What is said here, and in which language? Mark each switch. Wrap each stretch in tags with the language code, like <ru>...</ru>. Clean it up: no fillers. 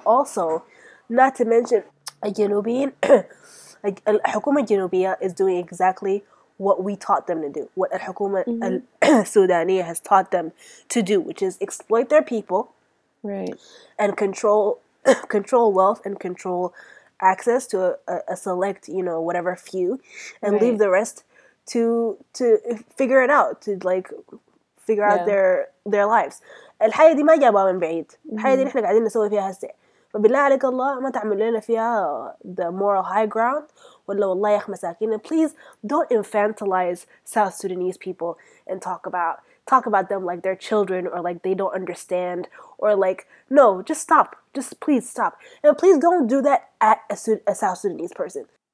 <en>Also, not to mention, Al-Hukuma Jinubiya is doing exactly what we taught them to do, what Al-Hukuma Sudaniya has taught them to do, which is exploit their people, right, and control wealth and control access to a select, you know, whatever few, and leave the rest to figure it out, to like figure out their lives.</en> <ar>الحياة دي ما جابها من بعيد. الحياة دي نحن قاعدين نسوي فيها هسه. فبالله عليك الله ما تعمل لنا فيها</ar> <en>the moral high ground.</en> <ar>ولا والله يا أخ مساكين.</ar> <en>Please don't infantilize South Sudanese people and talk about them like they're children or like they don't understand or like no, just stop. Just please stop. And please don't do that at a South Sudanese person.</en>